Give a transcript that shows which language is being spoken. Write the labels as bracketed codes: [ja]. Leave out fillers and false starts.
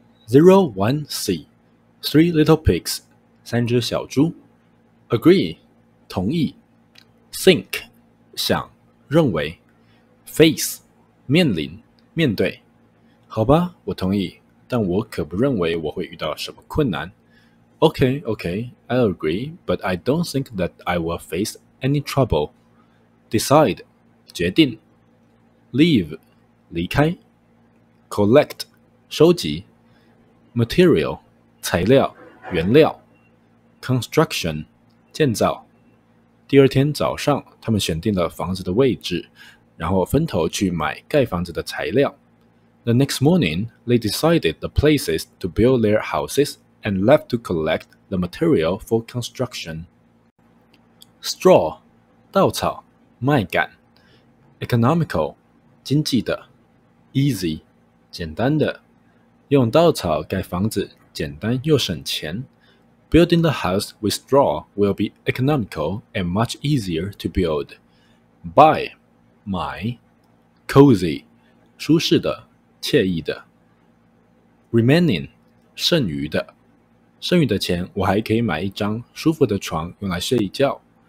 [en] 01C, Three Little Pigs, 三只小猪。 [zh] Agree, 同意。Think, 想，认为。 Face,面临，面对。好吧，我同意，但我可不认为我会遇到什么困难。 [en] Okay, okay, I agree, but I don't think that I will face any trouble. [zh] Decide, 决定。Leave, 离开。 Collect, 收集。Material, 材料，原料。 Construction, 建造。第二天早上，他们选定了房子的位置，然后分头去买盖房子的材料。 [en] The next morning, they decided the places to build their houses and left to collect the material for construction. [zh] Straw, 稻草，麦秆。Economical, 经济的。 Easy, 简单的。用稻草盖房子简单又省钱。 [en] Building the house with straw will be economical and much easier to build. [zh] Buy,买 ，cozy， 舒适的，惬意的。 Remaining， 剩余的，剩余的钱我还可以买一张舒服的床用来睡一觉。